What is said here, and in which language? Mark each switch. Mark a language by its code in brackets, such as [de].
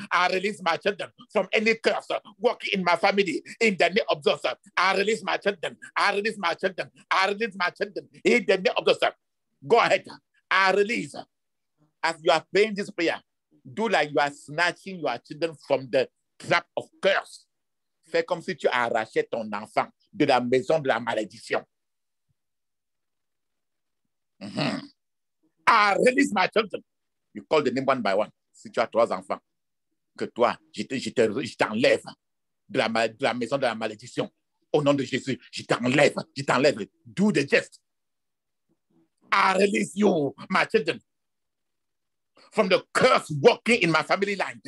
[en] I release my children from any curse working in my family in the name of Jesus. I release my children. I release my children. I release my children in the name of Jesus. Go ahead. I release. As you are praying this prayer, do like you are snatching your children from the trap of curse. [fr] Fais comme si tu arrachais ton enfant de la maison de la malédiction. [en] Mm-hmm. I release my children. You call the name one by one. [fr] Si tu as trois enfants, que toi, je t'enlève de la maison de la malédiction. Au nom de Jésus, je t'enlève. [en] Do the gest. I release you, my children, from the curse working in my family line.